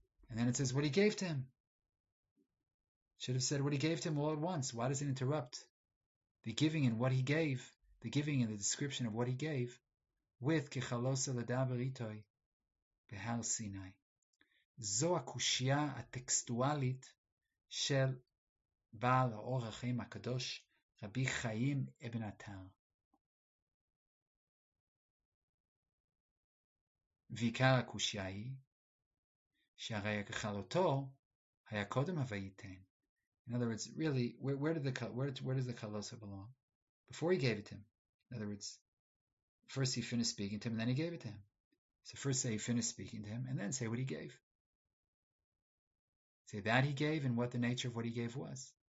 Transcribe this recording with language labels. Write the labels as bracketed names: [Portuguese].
[English] And then it says what he gave to him. Should have said what he gave to him all at once. Why does it interrupt the giving and what he gave, the giving and the description of what he gave, with [Hebrew] Kechalosa Ladaber Itoi Behar Sinai? Zo akushya atextualit של בעל האור החיים הקדוש רבי חיים אבן עטר. ועיקר הקושיה היא שהרי הכחלותו היה קודם הוויתן. [English] In other words, really, where does the kalosa belong? Before he gave it to him. In other words, first he finished speaking to him and then he gave it to him. So first say he finished speaking to him and then say what he gave. Say that he gave and what the nature of what he gave was.